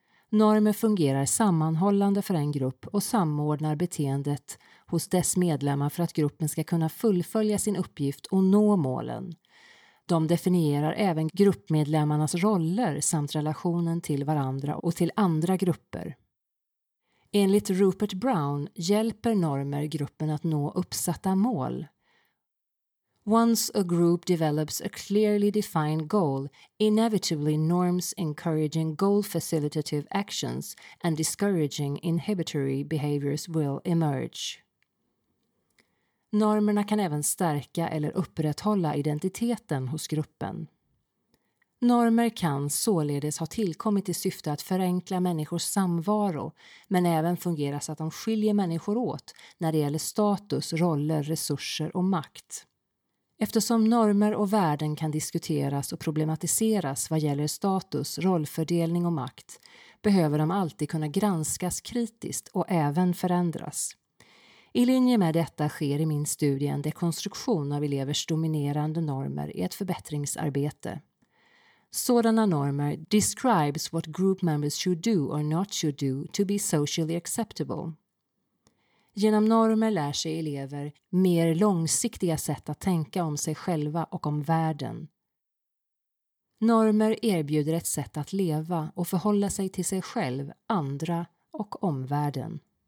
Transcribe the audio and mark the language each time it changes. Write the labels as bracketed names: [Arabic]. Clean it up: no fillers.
[Swedish] Normer fungerar sammanhållande för en grupp och samordnar beteendet hos dess medlemmar för att gruppen ska kunna fullfölja sin uppgift och nå målen. De definierar även gruppmedlemmarnas roller samt relationen till varandra och till andra grupper. Enligt Rupert Brown hjälper normer gruppen att nå uppsatta mål. [English] Once a group develops a clearly defined goal, inevitably norms encouraging goal-facilitative actions and discouraging inhibitory behaviors will emerge. [Swedish] Normerna kan även stärka eller upprätthålla identiteten hos gruppen. Normer kan således ha tillkommit i syfte att förenkla människors samvaro, men även fungera så att de skiljer människor åt när det gäller status, roller, resurser och makt. Eftersom normer och värden kan diskuteras och problematiseras vad gäller status, rollfördelning och makt behöver de alltid kunna granskas kritiskt och även förändras. I linje med detta sker i min studie en dekonstruktion av elevers dominerande normer i ett förbättringsarbete. Sådana normer [English] describes what group members should do or not should do to be socially acceptable. [Swedish] Genom normer lär sig elever mer långsiktiga sätt att tänka om sig själva och om världen. Normer erbjuder ett sätt att leva och förhålla sig till sig själv, andra och omvärlden.